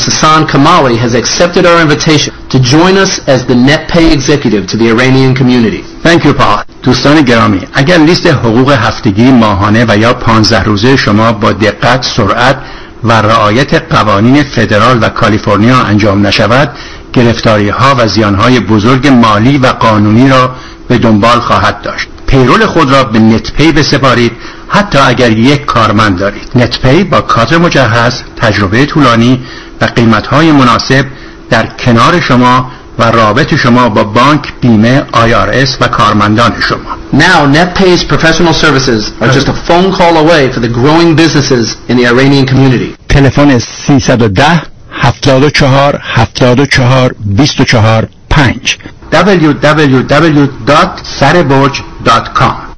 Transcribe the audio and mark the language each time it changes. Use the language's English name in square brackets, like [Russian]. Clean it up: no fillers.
[English] Sasan Kamali has accepted our invitation to join us as the NetPay executive to the Iranian community. Thank you, Paul. [Persian] دوستان گرامی، اگر لیست حقوق هفتگی، ماهانه و یا 15 روزه شما با دقت، سرعت و رعایت قوانین فدرال و کالیفرنیا انجام نشود، گرفتاری ها و زیان های بزرگ مالی و قانونی را به دنبال خواهد داشت. پیرول خود را به نتپی بسپارید، حتی اگر یک کارمند دارید. نتپی با کادر مجهز، تجربه طولانی و قیمت‌های مناسب در کنار شما و رابط شما با بانک، بیمه، IRS و کارمندان شما. [English] Now NetPay's professional services are just a phone call away for the growing businesses in the Iranian community. [Persian] تلفن 310-74-74-24-5 www.sarebojh.com.